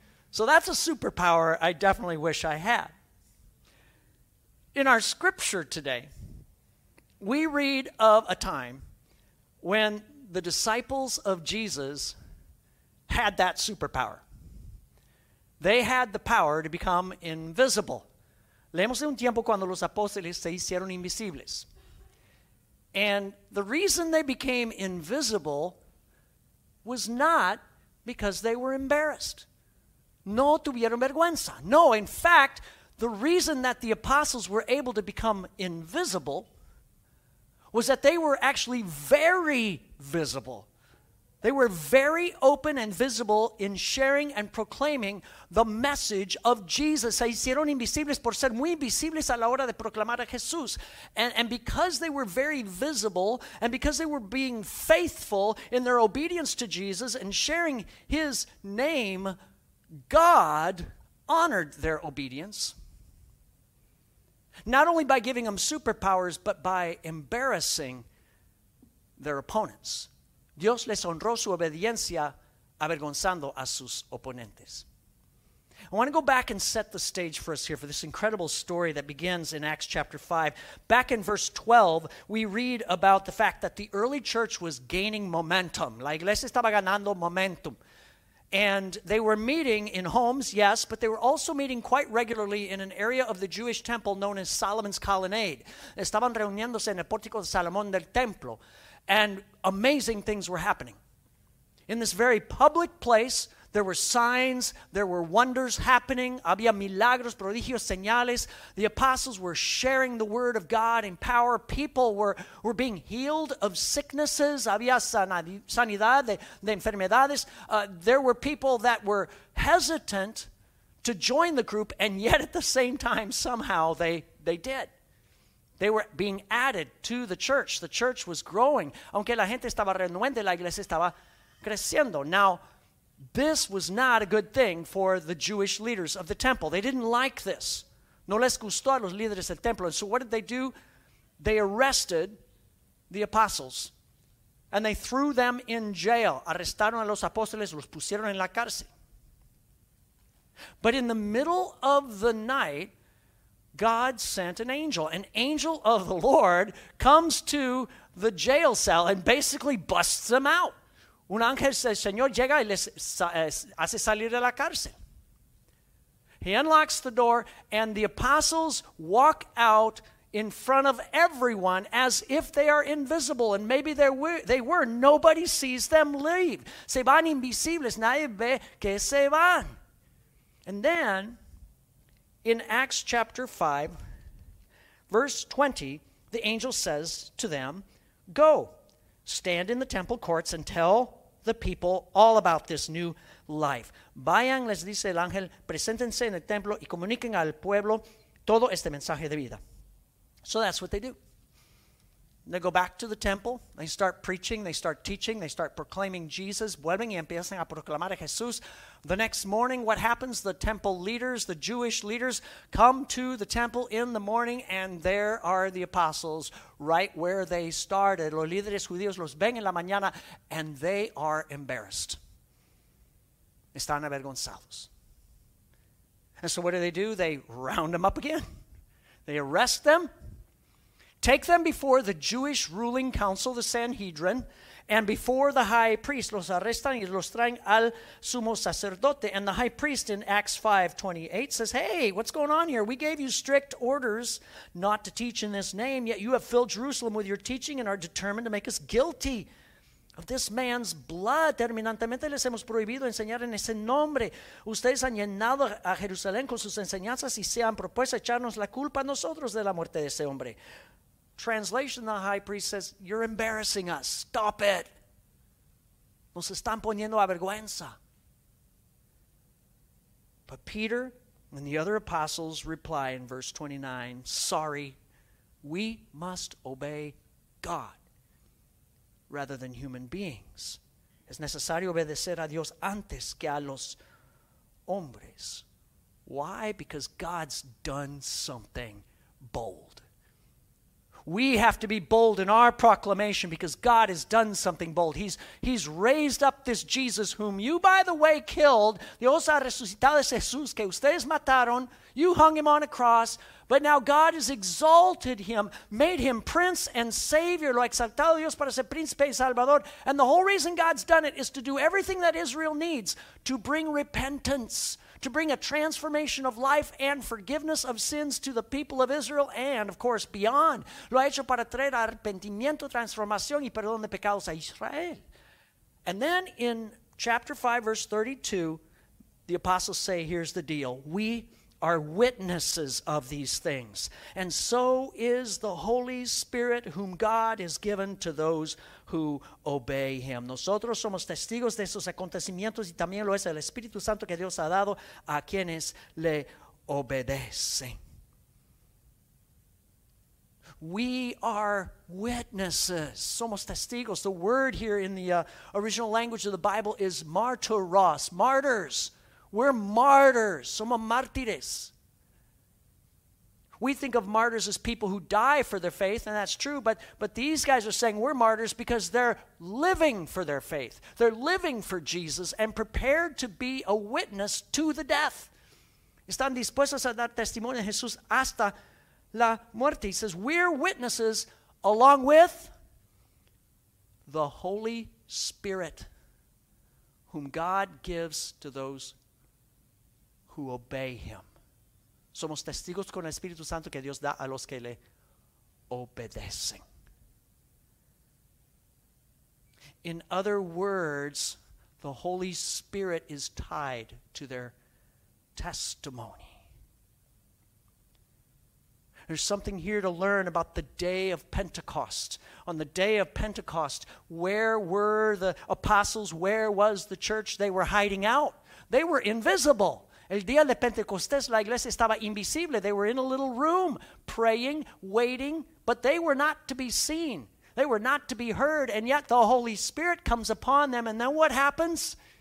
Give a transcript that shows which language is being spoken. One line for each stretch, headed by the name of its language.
English: So that's a superpower I definitely wish I had. In our scripture today, we read of a time when the disciples of Jesus had that superpower. They had the power to become invisible.
Spanish: Leemos de un tiempo cuando los apóstoles se hicieron invisibles.
English: And the reason they became invisible was not because they were embarrassed.
Spanish: No tuvieron vergüenza.
English: No, in fact, the reason that the apostles were able to become invisible was that they were actually very visible. They were very open and visible in sharing and proclaiming the message of Jesus.
Spanish: Se hicieron invisibles por ser muy visibles a la hora de proclamar a Jesús.
English: And because they were very visible, and because they were being faithful in their obedience to Jesus and sharing his name, God honored their obedience. Not only by giving them superpowers, but by embarrassing their opponents.
Spanish: Dios les honró su obediencia avergonzando a sus oponentes.
English: I want to go back and set the stage for us here for this incredible story that begins in Acts chapter 5. Back in verse 12, we read about the fact that the early church was gaining momentum.
Spanish: La iglesia estaba ganando momentum.
English: And they were meeting in homes, yes, but they were also meeting quite regularly in an area of the Jewish temple known as Solomon's Colonnade.
Spanish: Estaban reuniéndose en el pórtico de Salomón del Templo.
English: And amazing things were happening. In this very public place, there were signs, there were wonders happening.
Spanish: Había milagros, prodigios, señales.
English: The apostles were sharing the word of God in power. People were being healed of sicknesses.
Spanish: Había sanidad de enfermedades.
English: There were people that were hesitant to join the group, and yet at the same time, somehow they did. They were being added to the church. The church was growing.
Spanish: Aunque la gente estaba renuente, la iglesia estaba creciendo.
English: Now, this was not a good thing for the Jewish leaders of the temple. They didn't like this.
Spanish: No les gustó a los líderes del templo.
English: And so what did they do? They arrested the apostles. And they threw them in jail.
Spanish: Arrestaron a los apóstoles, los pusieron en la cárcel.
English: But in the middle of the night, God sent an angel. An angel of the Lord comes to the jail cell and basically busts them out.
Spanish: Un ángel del Señor llega y les hace salir de la cárcel.
English: He unlocks the door and the apostles walk out in front of everyone as if they are invisible. And maybe they were. Nobody sees them leave.
Spanish: Se van invisibles. Nadie ve que se van.
English: And then, in Acts chapter 5, verse 20, the angel says to them, "Go, stand in the temple courts and tell the people all about this new life."
Spanish: Vayan, les dice el ángel, preséntense en el templo y comuniquen al pueblo todo este mensaje de vida.
English: So that's what they do. They go back to the temple. They start preaching. They start teaching. They start proclaiming Jesus.
Spanish: Vuelven y empiezan a proclamar a Jesús.
English: The next morning, what happens? The temple leaders, the Jewish leaders, come to the temple in the morning, and there are the apostles right where they started.
Spanish: Los líderes judíos los ven en la mañana,
English: and they are embarrassed.
Spanish: Están avergonzados.
English: And so what do? They round them up again. They arrest them. Take them before the Jewish ruling council, the Sanhedrin, and before the high priest. Los arrestan y los traen al sumo sacerdote. And the high priest in Acts 5:28 says, "Hey, what's going on here? We gave you strict orders not to teach in this name, yet you have filled Jerusalem with your teaching and are determined to make us guilty of this man's blood.
Spanish: Terminantemente les hemos prohibido enseñar en ese nombre. Ustedes han llenado a Jerusalén con sus enseñanzas y se han propuesto echarnos la culpa a nosotros de la muerte de ese hombre."
English: Translation, the high priest says, "You're embarrassing us. Stop it.
Spanish: Nos están poniendo a vergüenza."
English: But Peter and the other apostles reply in verse 29, "Sorry, we must obey God rather than human beings.
Spanish: Es necesario obedecer a Dios antes que a los hombres.
English: Why? Because God's done something bold. We have to be bold in our proclamation because God has done something bold. He's raised up this Jesus whom you, by the way, killed.
Spanish: Dios ha resucitado a Jesús que ustedes mataron.
English: You hung him on a cross. But now God has exalted him, made him prince and savior.
Spanish: Lo ha exaltado Dios para ser príncipe y salvador.
English: And the whole reason God's done it is to do everything that Israel needs to bring repentance, to bring a transformation of life and forgiveness of sins to the people of Israel and, of course, beyond.
Spanish: Lo ha hecho para traer arrepentimiento, transformación y perdón de pecados a Israel.
English: And then in chapter 5, verse 32, the apostles say, here's the deal. We are witnesses of these things. And so is the Holy Spirit whom God has given to those who obey him.
Spanish: Nosotros somos testigos de esos acontecimientos y también lo es el Espíritu Santo que Dios ha dado a quienes le obedecen.
English: We are witnesses.
Spanish: Somos testigos.
English: The word here in the original language of the Bible is martyros, martyrs. We're martyrs.
Spanish: Somos mártires.
English: We think of martyrs as people who die for their faith, and that's true, but these guys are saying we're martyrs because they're living for their faith. They're living for Jesus and prepared to be a witness to the death.
Spanish: Están dispuestos a dar testimonio de Jesús hasta la muerte.
English: He says, we're witnesses along with the Holy Spirit whom God gives to those who obey him.
Spanish: Somos testigos con el Espíritu Santo que Dios da a los que le obedecen.
English: In other words, the Holy Spirit is tied to their testimony. There's something here to learn about the day of Pentecost. On the day of Pentecost, where were the apostles? Where was the church? They were hiding out. They were invisible.
Spanish: El día de Pentecostés, la iglesia estaba invisible.
English: They were in a little room, praying, waiting, but they were not to be seen. They were not to be heard, and yet the Holy Spirit comes upon them, and then what happens?